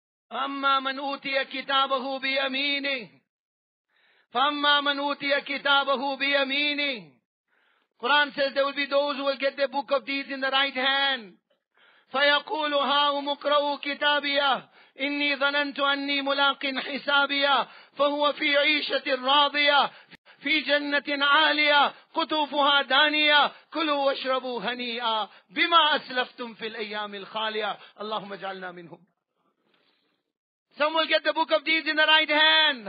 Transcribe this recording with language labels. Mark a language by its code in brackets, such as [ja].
[ar] فَأَمَّا مَنْ أُوْتِيَ كِتَابَهُ بِيَمِينِهِ فَأَمَّا مَنْ أُوْتِيَ كِتَابَهُ بِيَمِينِهِ. [en] Quran says there will be those who will get their book of deeds in the right hand. [ar] فَيَقُولُ هَا أُمُقْرَوُ كِتَابِيَهِ. إني ظننت أني ملاق حسابيا، فهو في عيشة راضية في جنة عالية قطوفها دانية، كلوا واشربوا هنيئا بما أسلفتم في الأيام الخالية. اللهم اجعلنا منهم. [en] Some will get the book of deeds in the right hand.